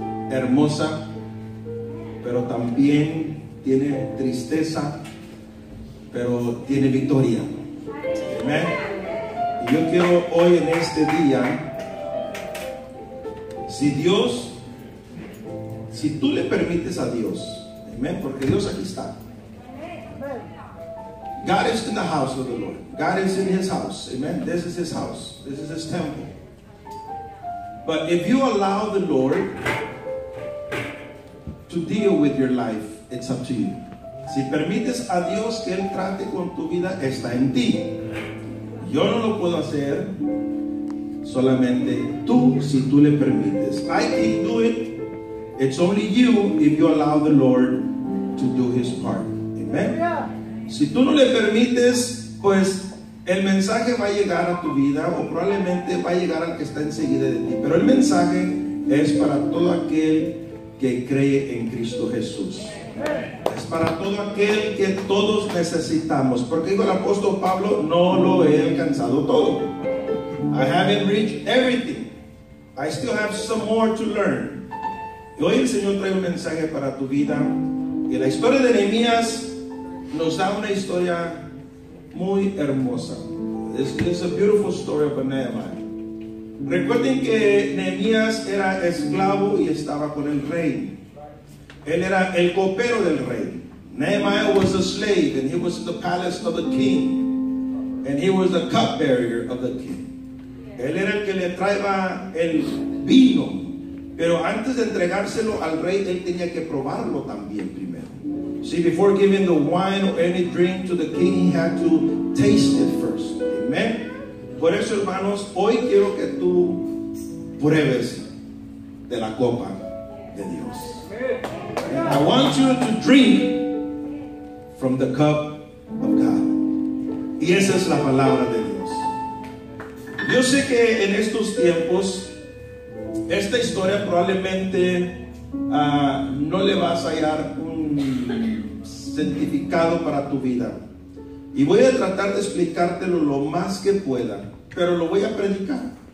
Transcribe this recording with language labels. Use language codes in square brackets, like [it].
[es] Hermosa, pero también tiene tristeza, pero tiene victoria. Amén. Y yo quiero hoy en este día, si tú le permites a Dios, amén, porque Dios aquí está. [en] God is in the house of the Lord. God is in his house. Amén. This is his house. This is his temple. But if you allow the Lord to deal with your life, it's up to you. [es] Si permites a Dios que Él trate con tu vida, está en ti. Yo no lo puedo hacer, solamente tú, si tú le permites. [en] I can't do it. It's only you if you allow the Lord to do His part. Amen. [es] Si tú no le permites, pues el mensaje va a llegar a tu vida, o probablemente va a llegar al que está enseguida de ti. Pero el mensaje es para todo aquel que cree en Cristo Jesús. Es para todo aquel que todos necesitamos. Porque dijo el apóstol Pablo, no lo he alcanzado todo. [en] I haven't reached everything. I still have some more to learn. [es] Y hoy el Señor trae un mensaje para tu vida. Y la historia de Nehemías nos da una historia muy hermosa. [en] It's a beautiful story of Nehemiah. [es] Recuerden que Nehemías era esclavo y estaba con el rey. Él era el copero del rey. [en] Nehemiah was a slave and he was in the palace of the king. And he was the cupbearer of the king. [es] Él era el que le traía el vino. Pero antes de entregárselo al rey, él tenía que probarlo también primero. [en] See, before giving the wine or any drink to the king, he had to taste it first. Amen. [es] Por eso, hermanos, hoy quiero que tú pruebes de la copa de Dios. [en] I want you to drink from the cup of God. [es] Y esa es la palabra de Dios. Yo sé que en estos tiempos, esta historia probablemente no le vas a hallar un significado para tu vida. Y voy a tratar de explicártelo lo más que pueda. Pero lo voy a predicar.